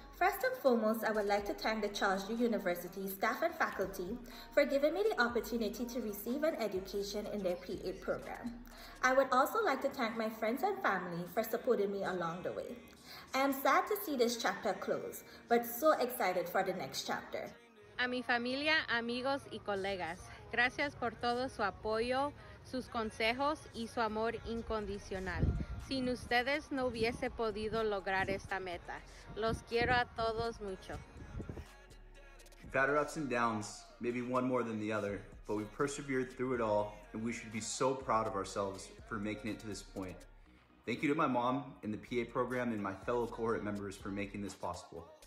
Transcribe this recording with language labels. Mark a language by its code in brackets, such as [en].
[en] First and foremost, I would like to thank the Charles Drew University staff and faculty for giving me the opportunity to receive an education in their PA program. I would also like to thank my friends and family for supporting me along the way. I am sad to see this chapter close, but so excited for the next chapter. [es] A mi familia, amigos y colegas, gracias por todo su apoyo, sus consejos y su amor incondicional. Sin ustedes no hubiese podido lograr esta meta. Los quiero a todos mucho. [en] We've had our ups and downs, maybe one more than the other, but we persevered through it all, and we should be so proud of ourselves for making it to this point. Thank you to my mom and the PA program and my fellow cohort members for making this possible.